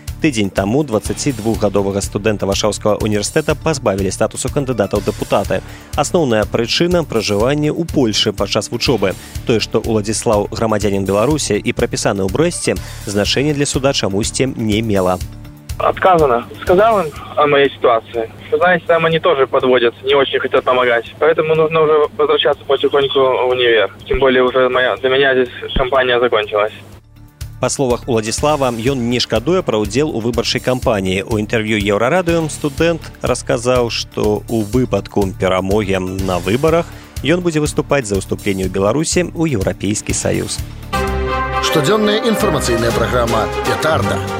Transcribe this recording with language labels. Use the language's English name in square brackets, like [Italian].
[Belarusian] Тыдзень таму 22-гадовага студэнта Варшаўскага універсітэта пазбавілі статусу кандыдата ў дэпутаты. Асноўная прычына – пражыванне ў Польшы падчас вучобы. Тое, што Уладзіслаў грамадзянін Беларусі і прапісаны ў Брэсце, значэння для суда чамусьці не мела. [Russian] Отказано. Сказал им о моей ситуации. Знаете, там они тоже подводят, не очень хотят помогать. Поэтому нужно уже возвращаться потихоньку в универ. Тем более уже для меня здесь кампания закончилась. [Belarusian] Па словах Уладзіслава, ён не шкадуе пра ўдзел у выбарчай кампаніі. У інтэрв'ю Еўрарадыё студэнт расказаў, што ў выпадку перамогі на выбарах ён будзе выступаць за ўступленне ў Беларусі ў Еўрапейскі саюз. Штодзённая інфармацыйная праграма «Петарда».